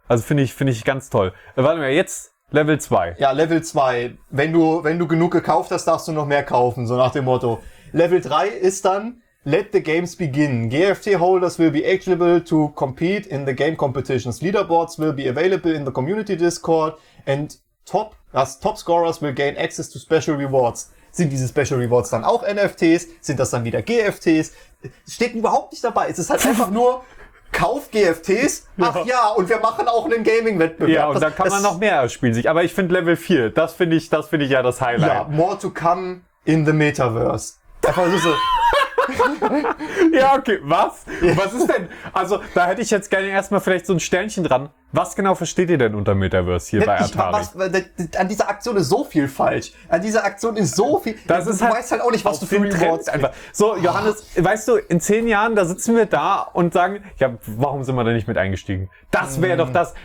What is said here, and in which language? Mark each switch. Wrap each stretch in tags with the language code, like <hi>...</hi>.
<de>Also finde ich ganz toll. Warte mal, jetzt Level 2. Ja, Level 2. Wenn du genug gekauft hast, darfst du noch mehr kaufen, so nach dem Motto. Level 3 ist dann</de> <en>Let the games begin. GFT holders will be eligible to compete in the game competitions. Leaderboards will be available in the community Discord and Top-Scorers will gain access to Special Rewards.</en> <de>Sind diese Special Rewards dann auch NFTs? Sind das dann wieder GFTs? Steht überhaupt nicht dabei. Es ist halt einfach nur, kauf GFTs. Ach ja, und wir machen auch einen Gaming-Wettbewerb. Ja, und da kann man noch mehr spielen. Aber ich finde Level 4, das finde ich ja das Highlight. Ja,</de> <en>more to come in the Metaverse.</en> <de>Einfach so. Ja, okay, was? Was ist denn? Also, da hätte ich jetzt gerne erstmal vielleicht so ein Sternchen dran. Was genau versteht ihr denn unter Metaverse hier bei Atari? An dieser Aktion ist so viel falsch. An dieser Aktion ist so viel. Du weißt halt auch nicht, was du für Rewards einfach. So, Johannes, weißt du, in 10 Jahren, da sitzen wir da und sagen, ja, warum sind wir da nicht mit eingestiegen? Das wäre doch das.</de>